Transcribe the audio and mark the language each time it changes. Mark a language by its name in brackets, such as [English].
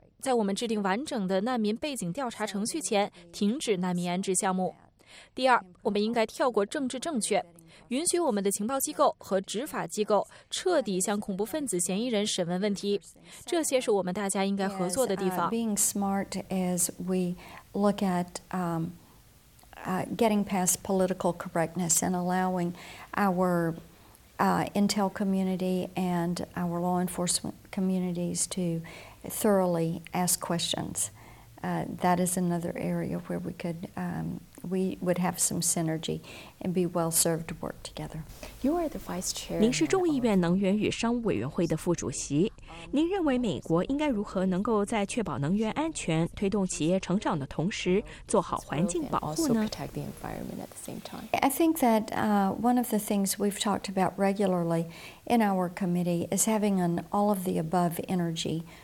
[Chinese] 在我们制定完整的难民背景调查程序前，停止难民安置项目。第二，我们应该跳过政治正确，允许我们的情报机构和执法机构彻底向恐怖分子嫌疑人审问问题。这些是我们大家应该合作的地方。 [English] Being smart as we look at getting past political correctness and allowing our intel community and our law enforcement communities to. Thoroughly ask questions. That is another area where we could, we would have some synergy and be well served to work together. You are the vice chair. [Chinese] 您是众议院能源与商务委员会的副主席。您认为美国应该如何能够在确保能源安全、推动企业成长的同时，做好环境保护呢？ [English] Also protect the environment at the same time. I think that one of the things we've talked about regularly in our committee is having an all of the above energy.